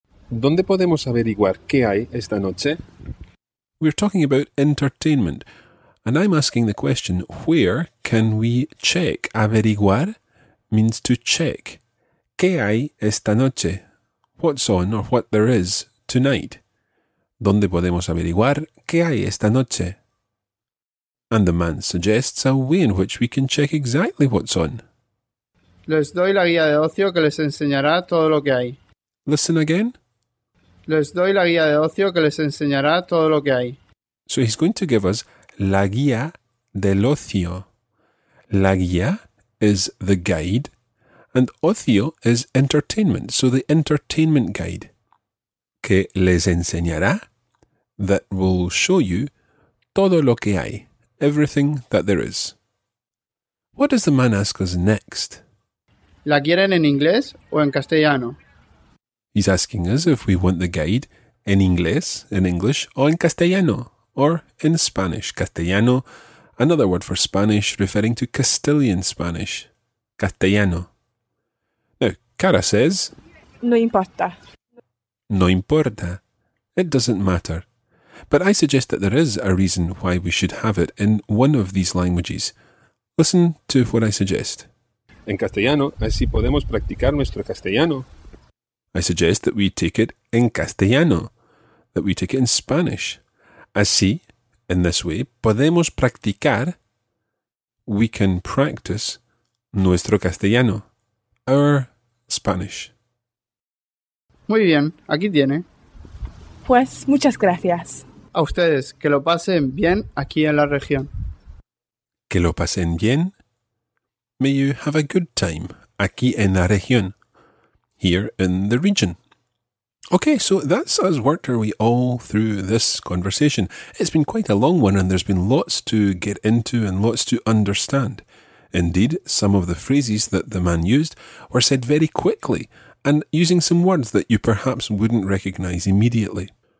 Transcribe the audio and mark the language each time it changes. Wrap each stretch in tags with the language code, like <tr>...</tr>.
<es>¿Dónde podemos averiguar qué hay esta noche?</es> <en>We're talking about entertainment, and I'm asking the question, where can we check?</en> <es>Averiguar</es> <en>means to check.</en> <es>¿Qué hay esta noche?</es> <en>What's on or what there is tonight?</en> <es>¿Dónde podemos averiguar qué hay esta noche?</es> <en>And the man suggests a way in which we can check exactly what's on.</en> <es>Les doy la guía de ocio que les enseñará todo lo que hay.</es> <en>Listen again.</en> <es>Les doy la guía de ocio que les enseñará todo lo que hay.</es> <en>So he's going to give us</en> <es>la guía del ocio.</es> <en>La guía is the guide, and ocio is entertainment, so the entertainment guide.</en> <es>Que les enseñará,</es> <en>that will show you,</en> <es>todo lo que hay,</es> <en>everything that there is. What does the man ask us next?</en> <es>¿La quieren en inglés o en castellano?</es> <en>He's asking us if we want the guide</en> <es>en inglés,</es> <en>in English, or</en> <es>en castellano,</es> <en>or in Spanish. Castellano, another word for Spanish, referring to Castilian Spanish. Castellano. Now, Cara says,</en> <es>no importa. No importa.</es> <en>It doesn't matter. But I suggest that there is a reason why we should have it in one of these languages. Listen to what I suggest.</en> <es>En castellano, así podemos practicar nuestro castellano.</es> <en>I suggest that we take it</en> <es>en castellano,</es> <en>that we take it in Spanish. Así, in this way,</en> <es>podemos practicar,</es> <en>we can practice</en> <es>nuestro castellano,</es> <en>our Spanish.</en> <es>Muy bien, aquí tiene. Pues, muchas gracias. A ustedes, que lo pasen bien aquí en la región. Que lo pasen bien.</es> <en>May you have a good time</en> <es>aquí en la región.</es> <en>Here in the region. Okay, so that's us worked our way all through this conversation. It's been quite a long one and there's been lots to get into and lots to understand. Indeed, some of the phrases that the man used were said very quickly and using some words that you perhaps wouldn't recognise immediately.</en>